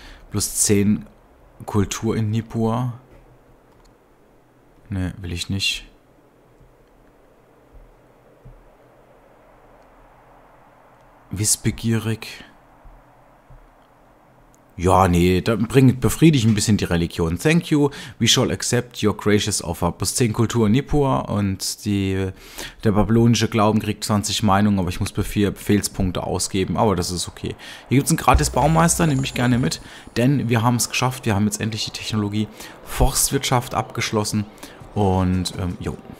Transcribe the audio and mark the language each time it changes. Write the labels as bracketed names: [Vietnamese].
[German] Plus 10 Kultur in Nippur. Ne, will ich nicht. Wissbegierig. Ja, nee, dann befriedige ich ein bisschen die Religion. [English] Thank you, we shall accept your gracious offer. [German] Plus 10 Kultur in Nippur und der babylonische Glauben kriegt 20 Meinungen, aber ich muss 4 Befehlspunkte ausgeben, aber das ist okay. Hier gibt es einen gratis Baumeister, nehme ich gerne mit, denn wir haben es geschafft, wir haben jetzt endlich die Technologie Forstwirtschaft abgeschlossen und jo.